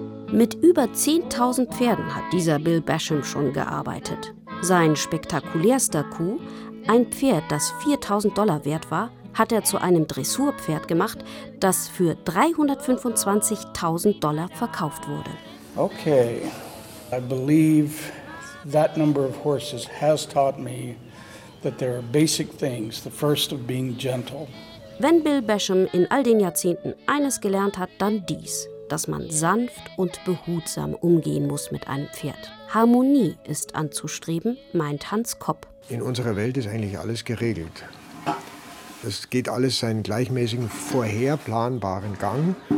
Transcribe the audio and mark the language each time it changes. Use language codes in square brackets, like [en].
[de] Mit über 10.000 Pferden hat dieser Bill Basham schon gearbeitet. Sein spektakulärster Coup, ein Pferd, das $4.000 wert war, hat er zu einem Dressurpferd gemacht, das für $325.000 verkauft wurde. [en] Okay, I believe that number of horses has taught me that there are basic things, the first of being gentle. [de] Wenn Bill Basham in all den Jahrzehnten eines gelernt hat, dann dies. Dass man sanft und behutsam umgehen muss mit einem Pferd. Harmonie ist anzustreben, meint Hans Kopp. In unserer Welt ist eigentlich alles geregelt. Das geht alles seinen gleichmäßigen, vorherplanbaren Gang.